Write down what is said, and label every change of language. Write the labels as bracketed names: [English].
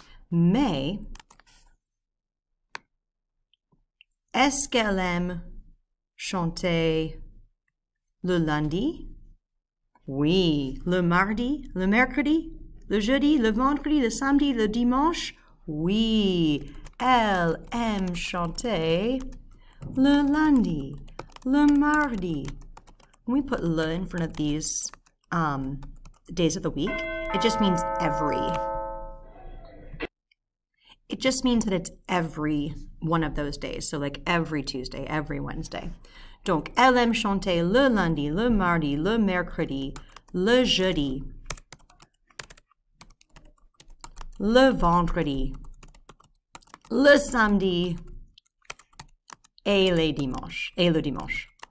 [French] Mais, est-ce qu'elle aime chanter le lundi? Oui, le mardi, le mercredi? Le jeudi, le vendredi, le samedi, le dimanche? Oui, elle aime chanter le lundi, le mardi. [English] When we put le in front of these days of the week, it just means every. It just means that it's every one of those days. So like every Tuesday, every Wednesday. [French] Donc, elle aime chanter le lundi, le mardi, le mercredi, le jeudi, le vendredi, le samedi et les dimanches, et le dimanche.